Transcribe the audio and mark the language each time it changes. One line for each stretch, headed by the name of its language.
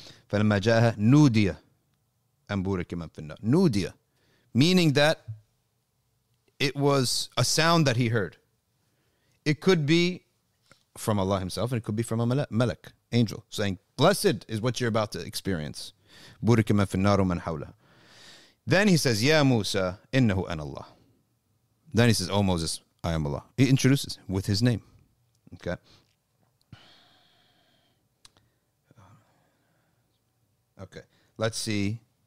Arabic: فَلَمَّا جَاءَهَا نُودِيَ أَنْ بُورِكَ مَنْ فِي النَّارِ.
English: نُودِيَ, meaning that it was a sound that he heard. It could be from Allah himself, and it could be from a malak, angel, saying, blessed is what you're about to experience.
Arabic: بُورِكَ مَنْ فِي النَّارُ وَمَنْ حَوْلَهَا.
English: Then he says,
Arabic: يَا مُوسَى إِنَّهُ أَنَ اللَّهِ.
English: Then he says, oh Moses, I am Allah. He introduces with his name. Okay. Okay, let's see.